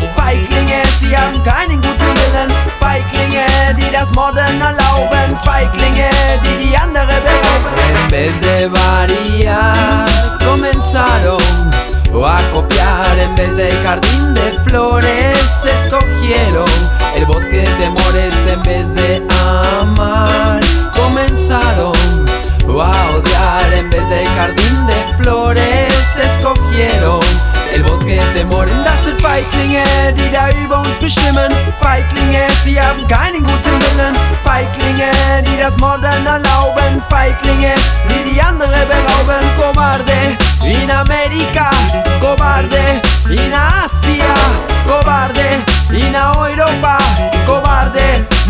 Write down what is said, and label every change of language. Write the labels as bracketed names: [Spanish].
[German] Feigling es, sie haben keinen guten Willen. Feigling es, die das Morden erlauben. Feigling es, die die andere berauben. [Spanish] En vez de variar, comenzaron a copiar. En vez del jardín de flores, escogieron el bosque de temores. En vez de amar, comenzaron a odiar. En vez del jardín de flores, escogieron el bosque de temores. [German] Das sind Feiglinge, die da über uns bestimmen. Feiglinge, sie haben keinen guten Willen. Feiglinge, die das Morden erlauben. Feiglinge, die die andere berauben. [Spanish] Cobarde, in Amerika, cobarde. In Asia, cobarde. In Europa, cobarde.